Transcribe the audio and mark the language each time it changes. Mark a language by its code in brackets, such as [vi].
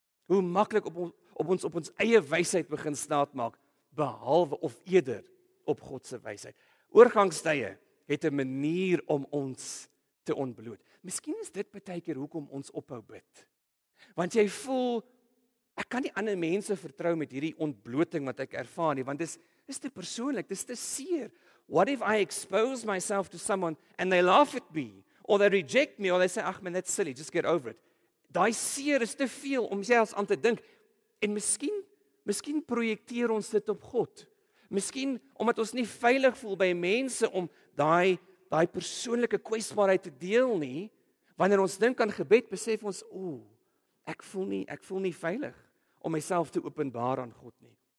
[af] Hoe maklik op ons eie wysheid begin staat maak, behalwe of eerder op God se wysheid. Oorgangstye het 'n manier om ons te ontbloot. Miskien is dit partykeer hoekom ons ophou bid. Want jy voel ek kan nie ander mense vertrou met hierdie ontbloting wat ek ervaar nie, want dis te persoonlik, dis te seer. [en] What if I expose myself to someone and they laugh at me or they reject me or they say, "Ag man, that's silly, just get over it." [af] Daai seer is te veel om jouself aan te dink. En miskien projekteer ons dit op God. Miskien omdat ons nie veilig voel by mense om daai persoonlike kwesbaarheid te deel nie, wanneer ons dink aan gebed, besef ons, ek voel nie veilig om myself te openbaar aan God nie.